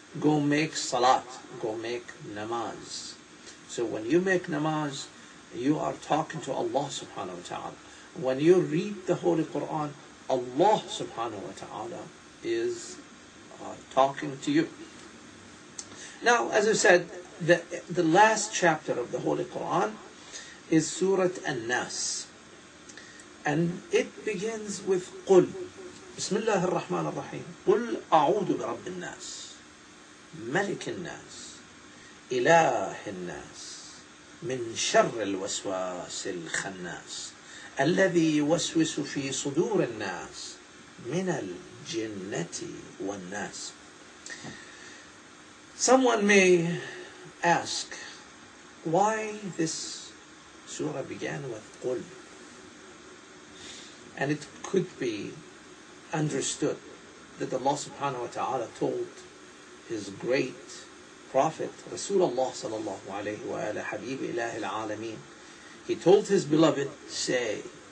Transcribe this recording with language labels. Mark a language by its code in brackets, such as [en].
[en] Go make salat, go make namaz. So when you make namaz, you are talking to Allah subhanahu wa ta'ala. When you read the Holy Quran, Allah subhanahu wa ta'ala is talking to you. Now, as I said, the last chapter of the Holy Quran is Surah An-Nas. And it begins with [ar] قُلْ بسم الله الرحمن الرحيم قُلْ أَعُوذُ بِرَبِّ النَّاسِ مَلِكِ النَّاسِ إِلَهِ النَّاسِ مِنْ شَرِّ الْوَسْوَاسِ الْخَنَّاسِ الَّذِي يُوَسْوِسُ فِي صُدُورِ النَّاسِ مِنَ الْجِنَّةِ وَالنَّاسِ. [en] Someone may ask why this surah began with قُلْ. And it could be understood that Allah subhanahu wa ta'ala told his great prophet, Rasulullah sallallahu alayhi wa ala habib ilahi al-alameen, he told his beloved, say.